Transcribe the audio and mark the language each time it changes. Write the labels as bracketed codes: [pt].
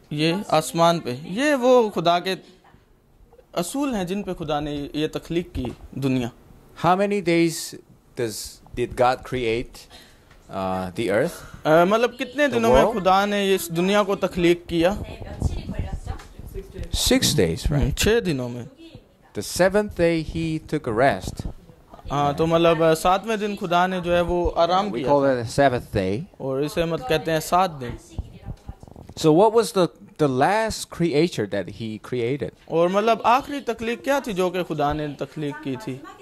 [ur] یہ آسمان پہ یہ وہ خدا کے اصول ہیں جن پہ خدا نے یہ تخلیق کی دنیا. [en] How many days did God create the earth? [ur] مطلب کتنے دنوں میں خدا نے اس دنیا کو تخلیق کیا؟ [en] 6 days, right? [ur] 6 دنوں میں. [en] The seventh day he took a rest. [ur] تو مطلب ساتویں دن خدا نے جو ہے وہ آرام کیا. [en] We call it the seventh day. [ur] اور اسے مطلب کہتے ہیں 7 دن. [en] So what was the last creature that he created? [ur] اور مطلب آخری تخلیق کیا تھی جو کہ خدا نے تخلیق کی تھی؟